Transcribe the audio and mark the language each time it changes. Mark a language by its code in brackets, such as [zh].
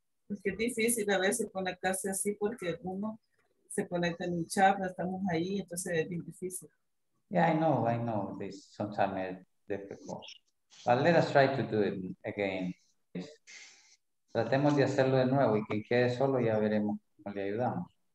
[es] Es que es difícil a veces conectarse así porque uno se conecta en un chat, estamos ahí, entonces es bien difícil. [en] Yeah, I know, this sometimes difficult. But let us try to do it again. [es] Tratemos de hacerlo de nuevo y quien quede solo ya veremos cómo le ayudamos.